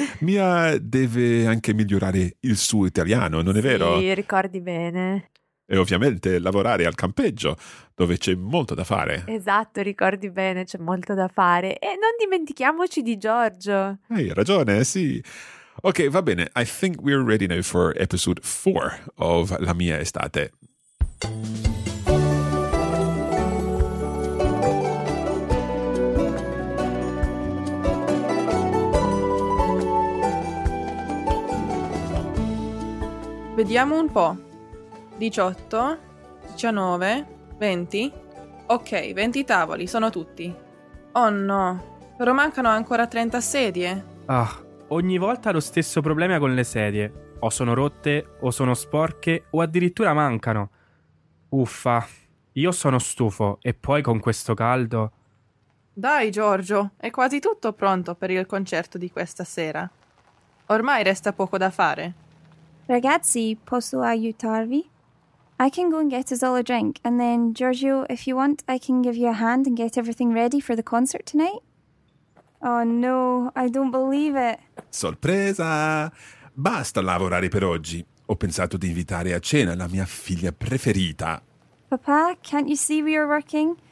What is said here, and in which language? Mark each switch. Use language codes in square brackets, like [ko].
[it] Mia deve anche migliorare il suo italiano, non è vero? Sì, ricordi bene. E ovviamente lavorare al campeggio, dove c'è molto da fare. Esatto, ricordi bene, c'è molto da fare. E non dimentichiamoci di Giorgio. Hai ragione, sì. Ok, va bene. [en] I think we're ready now for episode 4 of La mia estate. [it] Vediamo un po'. 18, 19, 20. Ok, 20 tavoli, sono tutti. Oh no, però mancano ancora 30 sedie. Ah, ogni volta lo stesso problema con le sedie. O sono rotte, o sono sporche, o addirittura mancano. Uffa, io sono stufo, e poi con questo caldo... Dai, Giorgio, è quasi tutto pronto per il concerto di questa sera. Ormai resta poco da fare. Ragazzi, posso aiutarvi? [en] I can go and get us all a drink, and then, Giorgio, if you want, I can give you a hand and get everything ready for the concert tonight. Oh no, I don't believe it. [it] Sorpresa! Basta lavorare per oggi. Ho pensato di invitare a cena la mia figlia preferita. [en] Papà, can't you see we are working?